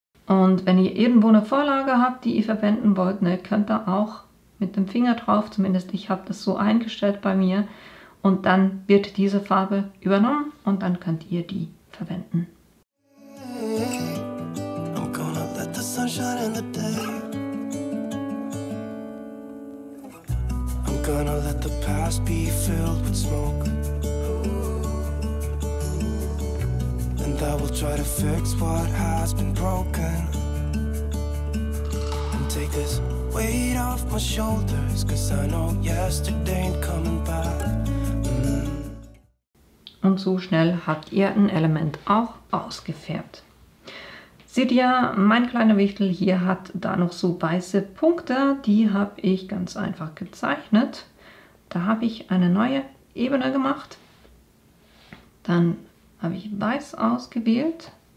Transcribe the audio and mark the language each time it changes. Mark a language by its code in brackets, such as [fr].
[de] Und wenn ihr irgendwo eine Vorlage habt, die ihr verwenden wollt, ne, könnt ihr auch mit dem Finger drauf, zumindest ich habe das so eingestellt bei mir, und dann wird diese Farbe übernommen und dann könnt ihr die verwenden. [en] I'm gonna let the sun shine in the day. I'm gonna let the past be filled with smoke. I will try to fix what has been broken and take this weight off my shoulders, 'cause I know yesterday ain't coming back. [de] Und so schnell habt ihr ein Element auch ausgefärbt. Seht ihr, mein kleiner Wichtel hier hat da noch so weiße Punkte, die habe ich ganz einfach gezeichnet. Da habe ich eine neue Ebene gemacht. Dann habe ich weiß ausgewählt.